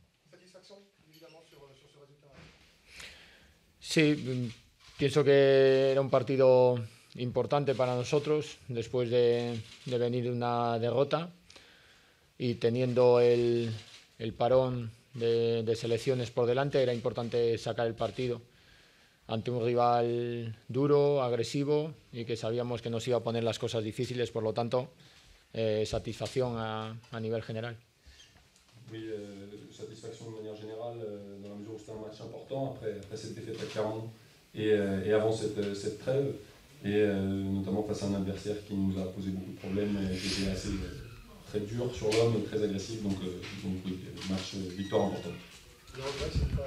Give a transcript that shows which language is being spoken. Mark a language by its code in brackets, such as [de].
[fr] Satisfaction, évidemment, sur ce résultat. [es] Si, pienso que era un partido importante para nosotros después de venir una derrota y teniendo el parón de selecciones por delante, era importante sacar el partido. ante un rival duro, agresivo y que sabíamos que nos iba a poner las cosas difíciles, por lo tanto, satisfacción a nivel general. [fr] Oui, [es] satisfacción de manera general, [fr] en la medida que era un match importante, après cette défaite à Clermont et avant cette trêve, et notamment face à un adversaire qui nous a posé beaucoup de problèmes et qui était assez très dur sur l'homme et très agressif, donc oui, match victoire importante.